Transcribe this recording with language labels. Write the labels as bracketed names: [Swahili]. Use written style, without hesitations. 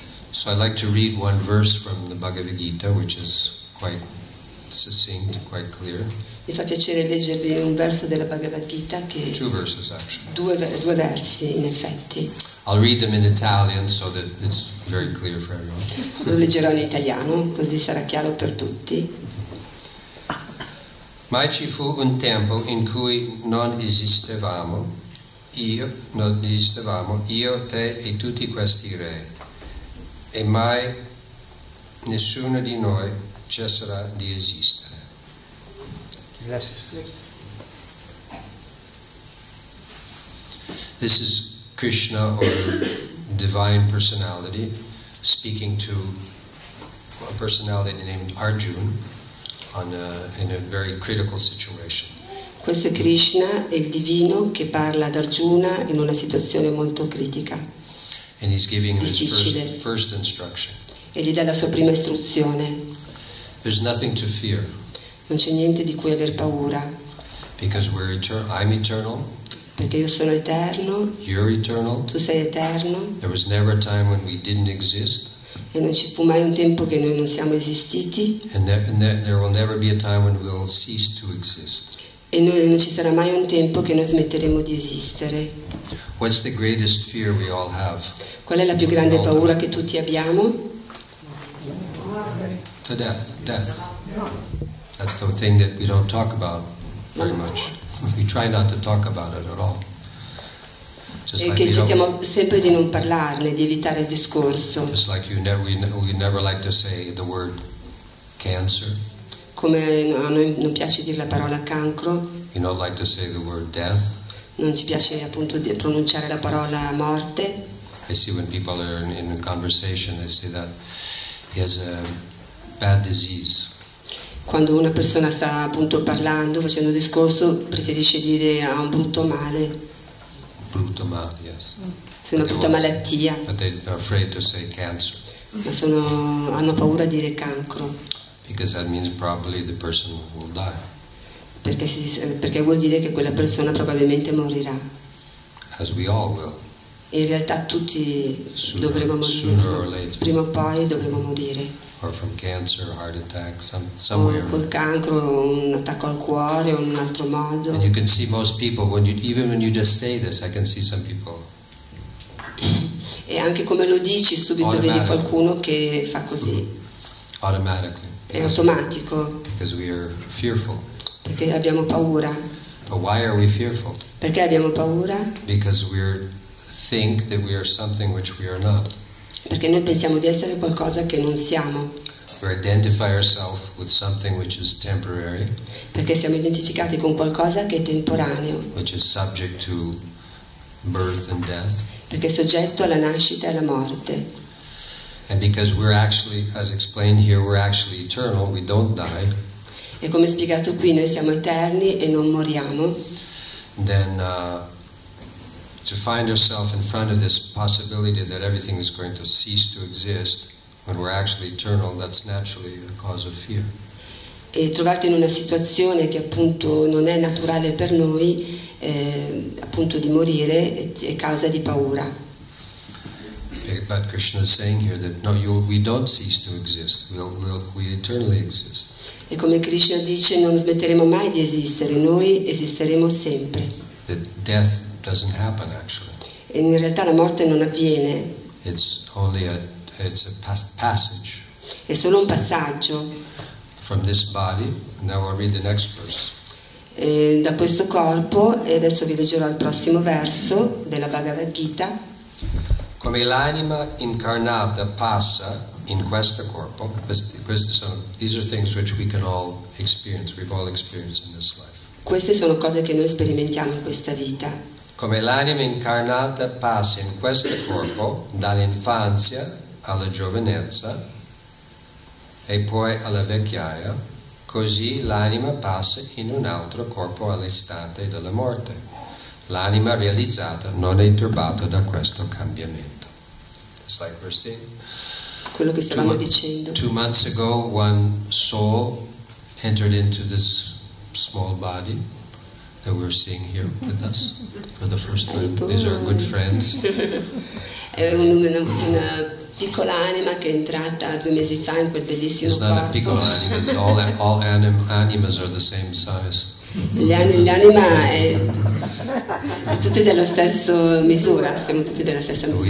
[English] So I'd like to read one verse from the Bhagavad Gita, which is quite succinct, quite clear. [Italian] Mi fa piacere leggervi un verso della Bhagavad Gita che [English] two verses, actually. [Italian] Due versi in effetti. [English] I'll read them in Italian so that it's very clear for everyone. [Italian] Lo leggerò in italiano così sarà chiaro per tutti. Mai ci fu un tempo in cui non esistevamo io, te e tutti questi re, e mai nessuno di noi cesserà di esistere. [Spanish] Gracias. [English] This is Krishna or divine personality speaking to a personality named Arjuna in a very critical situation. [Italian] Questo è Krishna, il divino, che parla ad Arjuna in una situazione molto critica. [English] And he's giving him his first instruction. [Italian] E gli dà la sua prima istruzione. [English] There's nothing to fear. [Italian] Non c'è niente di cui aver paura. [English] Because we're I'm eternal. [Italian] Perché io sono eterno. [English] You're eternal. [Italian] Tu sei eterno. [English] There was never a time when we didn't exist. [Italian] E non ci fu mai un tempo che noi non siamo esistiti. [English] And there will never be a time when we'll cease to exist. [Italian] E noi non ci sarà mai un tempo che noi smetteremo di esistere. [English] What's the greatest fear we all have? [Italian] Qual è la più grande paura che tutti abbiamo? [English] The death. That's the thing that we don't talk about very much. We try not to talk about it at all. Just [Italian] e like che cerchiamo sempre di non parlarne, di evitare il discorso. [English] It's like we never like to say the word cancer. [Italian] Come a noi non piace dire la parola cancro. [English] You don't like to say the word death. [Italian] Non ci piace appunto di pronunciare la parola morte. [English] I see when people are in a conversation, they say that he has a bad disease. [Italian] Quando una persona sta appunto parlando, facendo un discorso, preferisce dire ha un brutto male. Brutto male, [English] yes. [Italian] C'è una brutta malattia. [English] But they're afraid to say cancer. [Italian] Ma hanno paura di dire cancro. [English] Because that means probably the person will die. [Italian] Perché vuol dire che quella persona probabilmente morirà. [English] As we all will. [Italian] In realtà tutti dovremo morire. [English] Sooner or later. [Italian] Prima o poi dovremo morire. [English] Or from cancer, heart attack, somewhere. [Italian] Col cancro, un attacco al cuore o in un altro modo. [English] And you can see most people even when you just say this, I can see some people. [Italian] E anche come lo dici subito vedi qualcuno che fa così. [English] Automatically. [Italian] È automatico. [English] Because we are fearful. [Italian] Perché abbiamo paura. [English] But why are we fearful? [Italian] Perché abbiamo paura? [English] Because we think that we are something which we are not. [Italian] Perché noi pensiamo di essere qualcosa che non siamo. [English] We identify ourselves with something which is temporary. [Italian] Perché siamo identificati con qualcosa che è temporaneo. [English] Which is subject to birth and death. [Italian] Perché è soggetto alla nascita e alla morte. [English] And because we're actually, as explained here, we're actually eternal, we don't die. [Italian] E come spiegato qui, noi siamo eterni e non moriamo. [English] Then to find ourselves in front of this possibility that everything is going to cease to exist when we're actually eternal, that's naturally a cause of fear. [Italian] E trovarti in una situazione che appunto non è naturale per noi, appunto di morire, è causa di paura. [English] But Krishna is saying here that no, we don't cease to exist. We eternally exist. [Italian] E come Krishna dice, non smetteremo mai di esistere. Noi esisteremo sempre. [English] That death doesn't happen actually. [Italian] E in realtà la morte non avviene. [English] It's only a passage. [Italian] È solo un passaggio. [English] From this body. Now I'll read the next verse. [Italian] E da questo corpo, e adesso vi leggerò il prossimo verso della Bhagavad Gita. Come l'anima incarnata passa in questo corpo, [English] these are things which we can all experience, we've all experienced in this life. [Italian] Queste sono cose che noi sperimentiamo in questa vita. Come l'anima incarnata passa in questo corpo dall'infanzia alla giovinezza e poi alla vecchiaia, così l'anima passa in un altro corpo all'istante della morte. L'anima realizzata non è turbata da questo cambiamento. [English] It's like we're seeing. [Italian] Quello che stavamo dicendo. [English] 2 months ago, one soul entered into this small body that we're seeing here with us for the first time. These are good friends. [Italian] È una piccola anima che è entrata 2 mesi fa in quel bellissimo corpo. [English] It's not a [Italian] piccola anima. [English] All animas are the same size. [Italian] L'anima è tutte dello stesso misura, siamo tutti della stessa misura.